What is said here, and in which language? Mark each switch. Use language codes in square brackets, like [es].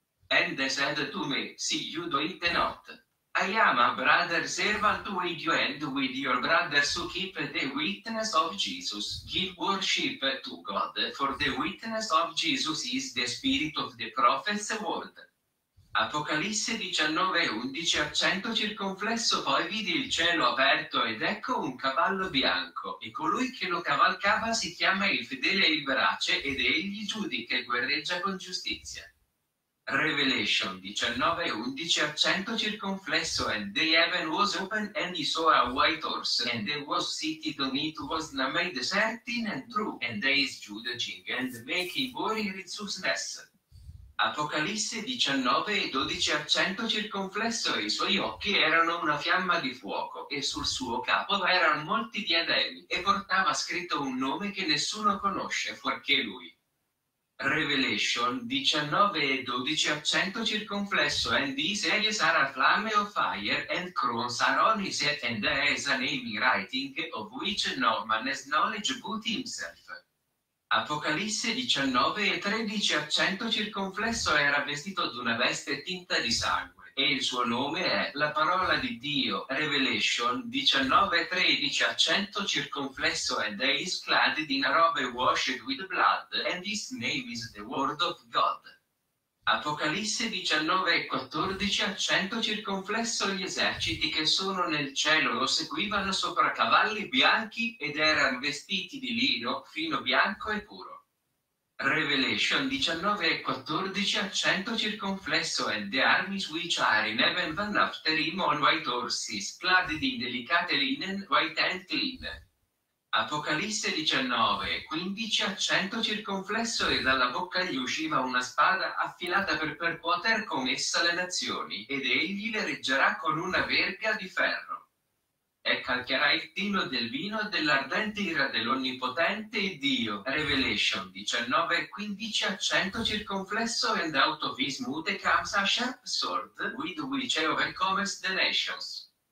[en] And they said to me, see you do it not. I am a brother servant with you and with your brothers who keep the witness of Jesus. Give worship to God, for the witness of Jesus is the spirit of the prophet's word. [it] Apocalisse 19, 11, accento circonflesso, poi vidi il cielo aperto ed ecco un cavallo bianco, e colui che lo cavalcava si chiama il fedele e il verace, ed egli giudica e guerreggia con giustizia. [en] Revelation 19, 11, [it] accento circonflesso, [en] and the heaven was open, and he saw a white horse, and there was seated on it was the maid certain and true, and he is judging, and making war in righteousness. [it] Apocalisse 19 e 12, accento circonflesso, e i suoi occhi erano una fiamma di fuoco, e sul suo capo erano molti diademi, e portava scritto un nome che nessuno conosce, fuorché lui. [en] Revelation 19 [it] e 12, accento circonflesso, [en] and his eyes are a flame of fire, and crowns are on his head, and there is a name in writing, of which no man has knowledge but himself. [it] Apocalisse 19 e 13, accento circonflesso, era vestito d'una veste tinta di sangue, e il suo nome è la parola di Dio. [en] Revelation 19 [it] e 13, accento circonflesso, [en] and he is clad in a robe washed with blood, and his name is the Word of God. [it] Apocalisse 19 e 14, accento circonflesso, gli eserciti che sono nel cielo lo seguivano sopra cavalli bianchi ed erano vestiti di lino fino bianco e puro. [en] Revelation 19 [it] e 14, accento circonflesso, [en] and the armies which are in heaven van after him on white horses, clad in delicate linen, white and clean. [it] Apocalisse 19, 15, accento circonflesso, e dalla bocca gli usciva una spada affilata per percuotere con essa le nazioni, ed egli le reggerà con una verga di ferro. E calcherà il tino del vino dell'ardente ira dell'Onnipotente e Dio. [en] Revelation 19, 15, [it] accento circonflesso, [en] and out of his mouth comes a sharp sword, with which he overcomes the nations.